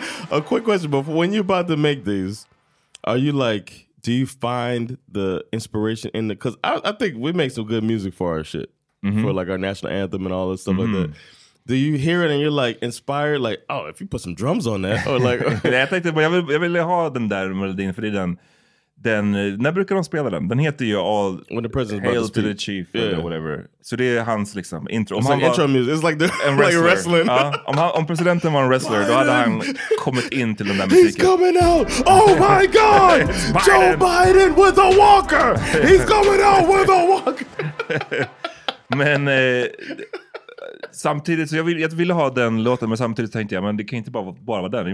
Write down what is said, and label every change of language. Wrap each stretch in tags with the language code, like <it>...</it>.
<en>A quick question, but when you're about to make these, are you like, do you find the inspiration in the, because I think we make some good music for our shit, for like our national anthem and all this stuff like that. Do you hear it and you're like inspired, like, oh, if you put some drums on that, or like.</en> <sv>Jag tänkte, jag vill ha den där melodin, för det är den, när brukar de spela den? Den heter ju All</sv> <en>When the President's Hail to the Chief, eller whatever.</en> <sv>Så det är hans liksom intro.</sv> <en>It's like intro music, it's like, like wrestling.</en> <sv>Om presidenten var en wrestler, Biden. Då hade han kommit in till den där musiken.</sv> <en>He's coming out, oh my god! Biden. Joe Biden with a walker! He's coming out with a walker!</en> <sv>Men samtidigt, så jag ville ha den låten, men samtidigt tänkte jag, men det kan inte bara vara den.</sv>